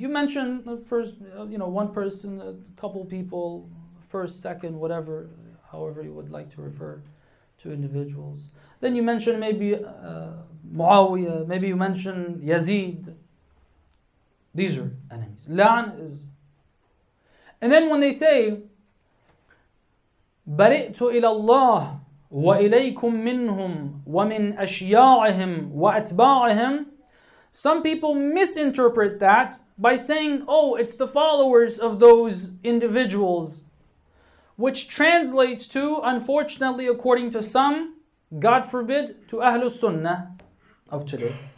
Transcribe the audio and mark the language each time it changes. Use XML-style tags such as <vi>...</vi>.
<en>You mention first, you know, one person, a couple people, first, second, whatever, however you would like to refer to individuals. Then you mention maybe Muawiyah, maybe you mention Yazid. These are enemies. La'an is... And then when they say,</en> <ar>بَرِئْتُ إِلَى اللَّهِ وَإِلَيْكُمْ مِنْهُمْ وَمِنْ أَشْيَاعِهِمْ وَأَتْبَاعِهِمْ.</ar> <en>Some people misinterpret that by saying, oh, it's the followers of those individuals, which translates to, unfortunately, according to some, God forbid, to Ahlul Sunnah of today.</en>